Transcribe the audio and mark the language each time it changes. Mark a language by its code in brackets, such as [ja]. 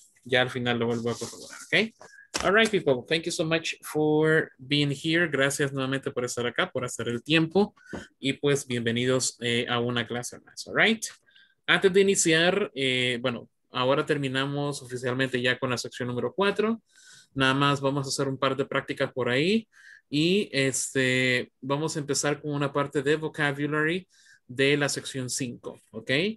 [es] Ya al final lo vuelvo a corroborar, ¿ok? [en] All right, people, thank you so much for being here. [es] Gracias nuevamente por estar acá, por hacer el tiempo. Y pues bienvenidos a una clase más, all right? Antes de iniciar, bueno, ahora terminamos oficialmente ya con la sección número 4. Nada más vamos a hacer un par de prácticas por ahí. Y vamos a empezar con una parte de vocabulary de la sección 5, ¿ok?